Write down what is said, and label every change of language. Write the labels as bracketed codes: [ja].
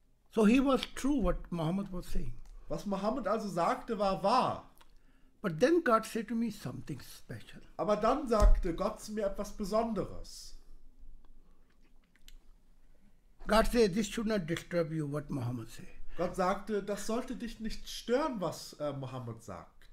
[en] So he was true what Muhammad was saying. [de] Was Muhammad also sagte, war wahr. [en] But then God said to me something special. [de] Aber dann sagte Gott zu mir etwas Besonderes. [en] God said, this should not disturb you, what Muhammad said. [de] Gott sagte, das sollte dich nicht stören, was Muhammad sagt.